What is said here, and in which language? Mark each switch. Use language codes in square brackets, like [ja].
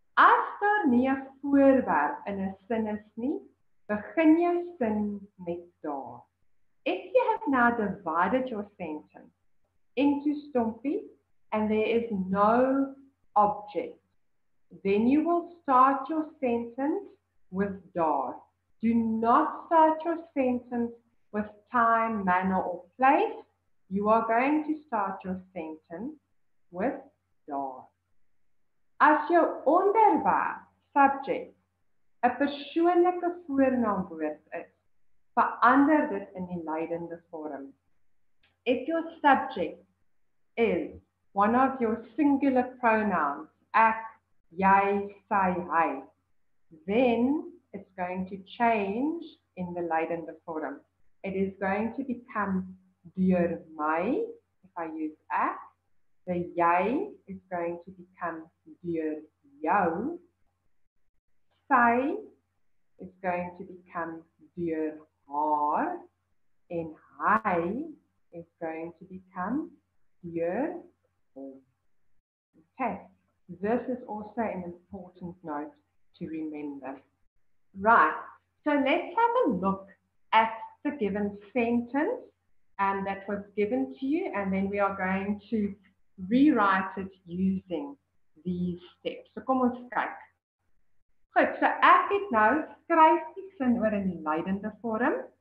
[af] As daar nie 'n voorwerp in 'n sin is nie, begin jou sin met daar. [en] If you have now divided your sentence into stompies and there is no object, then you will start your sentence with daar. Do not start your sentence with time, manner or place. You are going to start your sentence with daar. [af] As jou onderwerp, subject, 'n persoonlike voornaamwoord is, verander dit in die lydende vorm. [en] If your subject is one of your singular pronouns, ek, jy, sy, hy, then it's going to change in the lydende vorm. It is going to become deur my, if I use ek. The jy is going to become deur jou. Sy is going to become deur haar. And hy is going to become deur hom. Okay, this is also an important note to remember. Right, so let's have a look at the given sentence and that was given to you, and then we are going to rewrite it using these steps. [af] So kom ons kyk. Goed, so ek het nou skryf die sin oor in die lydende vorm.